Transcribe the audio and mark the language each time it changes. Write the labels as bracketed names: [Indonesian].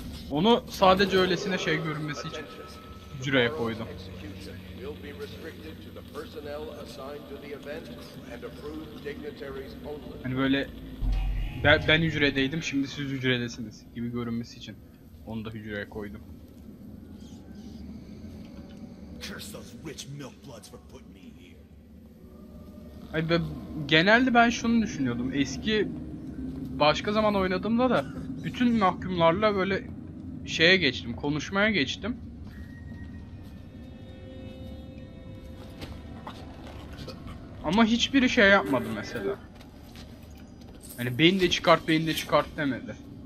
[Turkish] Onu sadece öylesine şey görünmesi için hücreye koydum. [English] Will be restricted to the personnel assigned to the event and approved dignitaries only. [Turkish] Hani böyle ben hücredeydim, şimdi siz hücredesiniz gibi görünmesi için onu da hücreye koydum. [English] Curse those rich milk bloods for putting me here. [Turkish] Hani genelde ben şunu düşünüyordum. Eski başka zaman oynadığımda da bütün mahkumlarla böyle şeye geçtim, konuşmaya geçtim. Ama hiçbiri şey yapmadı mesela. Hani beni de çıkart demedi.